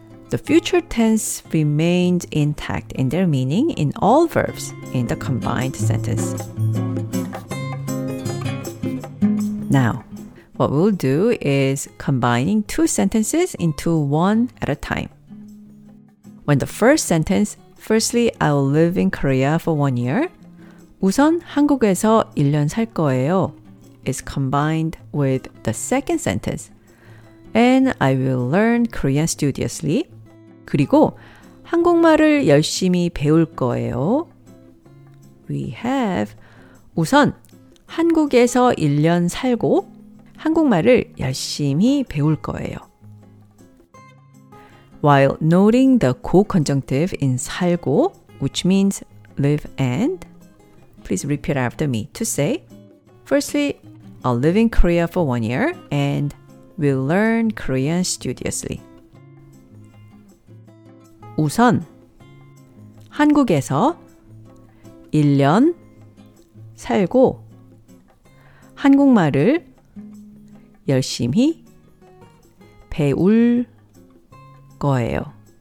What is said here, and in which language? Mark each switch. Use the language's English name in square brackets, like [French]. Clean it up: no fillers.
[English] The future tense remains intact in their meaning in all verbs in the combined sentence. Now, what we'll do is combining two sentences into one at a time. When the first sentence, firstly, I'll live in Korea for 1 year. [Korean] 우선 한국에서 1년 살 거예요. [English] Is combined with the second sentence. And I will learn Korean studiously. [Korean] 그리고 한국말을 열심히 배울 거예요. [English] We have [Korean] 우선 한국에서 1년 살고 한국말을 열심히 배울 거예요. [English] While noting the 고 conjunctive in 살고, which means live and, please repeat after me to say, firstly, I'll live in Korea for 1 year and will learn Korean studiously. [Korean] 우선 한국에서 1년 살고 한국말을 열심히 배울 거예요.